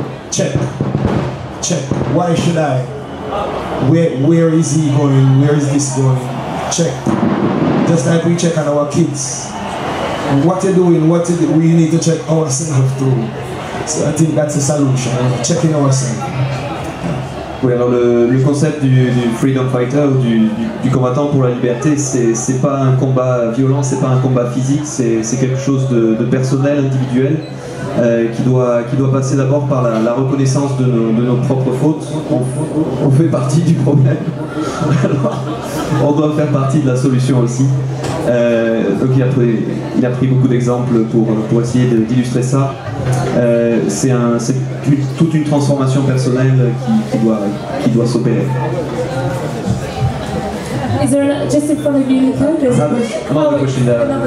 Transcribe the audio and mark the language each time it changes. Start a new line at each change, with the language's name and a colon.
English: Check. Why should I? Where is he going? Where is this going? Check. Just like we check on our kids. What you're doing, we need to check ourselves too. So I think that's the solution, checking ourselves.
French: Oui, alors le concept du freedom fighter, du combattant pour la liberté, c'est pas un combat violent, c'est pas un combat physique, c'est quelque chose de personnel, individuel, qui doit passer d'abord par la reconnaissance de nos propres fautes. On fait partie du problème, alors on doit faire partie de la solution aussi. Donc il a pris beaucoup d'exemples pour essayer d'illustrer ça. C'est toute une transformation personnelle qui doit s'opérer.
English: Is there just in front of you, Nico? Another question there.